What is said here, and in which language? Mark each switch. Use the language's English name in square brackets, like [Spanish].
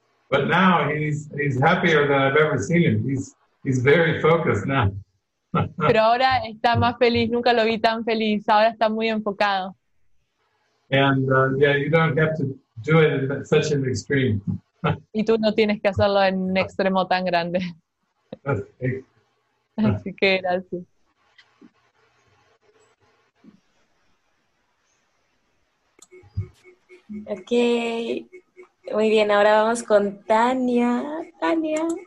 [English] But now he's happier than I've ever seen him. He's very focused now. [Spanish] Pero ahora está más feliz, nunca lo vi tan feliz, ahora está muy enfocado. [English] And yeah, you don't have to do it in such an extreme. [Spanish] Y tú no tienes que hacerlo en un extremo tan grande. Así que gracias. Ok, muy bien, ahora vamos con Tania. Tania.